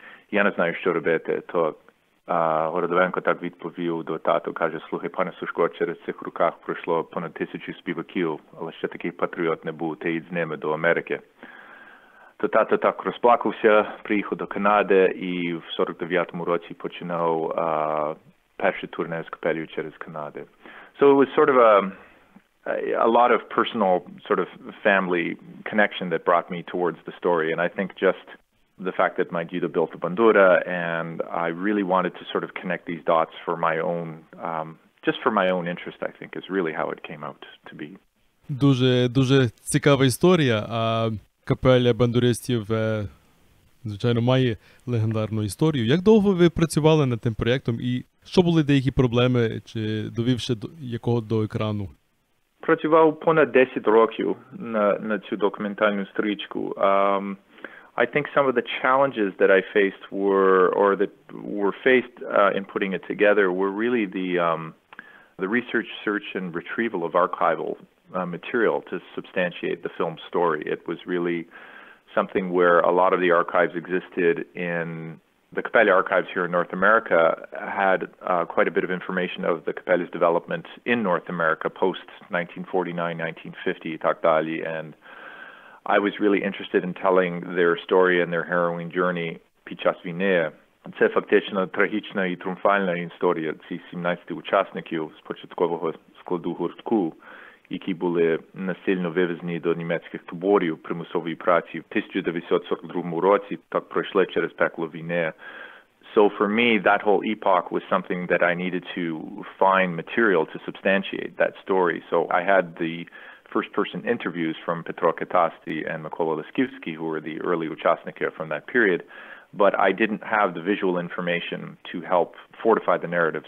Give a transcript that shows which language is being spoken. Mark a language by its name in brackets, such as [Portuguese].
[Ukrainian] Я не знаю, що робити». То Городовенко так відповів до тату, каже: «Слухай, пане Сушко, через цих руках пройшло понад 1000 співаків, але ще такий патріот не був, ти їдь з ними до Америки». То тато так розплакався, приїхав до Канади і в 49-му році починав перший турне з капелею через Канаду. [English] So it was sort of a lot of personal sort of family connection that brought me towards the story. And I think just the fact that my dito built a bandura, and I really wanted to sort of connect these dots for my own, just for my own interest, I think, is really how it came out to be. [Ukrainian] Дуже, дуже цікава історія. Капеля бандуристів, звичайно, має легендарну історію. Як довго ви працювали над тим проєктом, і що були деякі проблеми, чи довівши якого до екрану? Працював понад 10 років на цю документальну стрічку. [English] I think some of the challenges that I faced were faced in putting it together were really the research, search and retrieval of archival material to substantiate the film story. It was really something where a lot of the archives existed in the Capelle archives here in North America had quite a bit of information of the Capelle's development in North America post 1949-1950 [Ukrainian] и так далі. [English] And I was really interested in telling their story and their harrowing journey [Ukrainian] під час війни. Це фактично трагічна і тріумфальна історія цих 17 учасників з початкового складу гуртку, які були насильно вивезені до німецьких таборів примусової праці в 1942 році, так пройшли через пекло війни. [English] So for me, that whole epoch was something that I needed to find material to substantiate that story. So I had the first-person interviews from Petro Katasti and Mykola Leskiewski, who were the early uchastnika from that period, but I didn't have the visual information to help fortify the narrative.